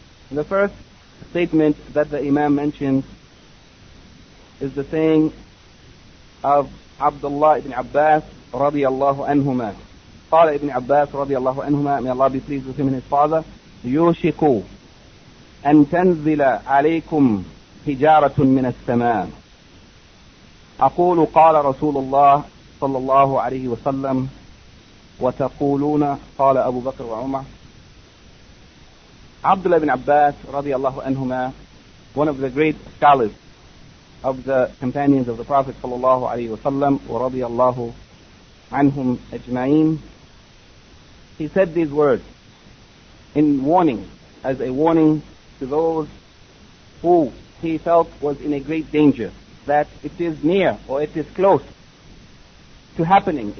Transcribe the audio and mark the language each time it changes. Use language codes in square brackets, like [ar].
[en] And the first statement that the Imam mentions is the saying of Abdullah ibn Abbas radiallahu anhuma. [ar] Qala ibn Abbas radiallahu anhuma, [en] may Allah be pleased with him and his father, [ar] yushiku an tanzila alaykum حجارة من السماء. أقول قال رسول الله صلى الله عليه وسلم وتقولون قال أبو بكر وعمر. [en] عبد الله بن عباس رضي الله عنهما, one of the great scholars of the companions of the Prophet [ar] صلى الله عليه وسلم ورضي الله عنهم أجمعين, [en] he said these words in warning, as a warning to those who he felt was in a great danger, that it is near or it is close to happening.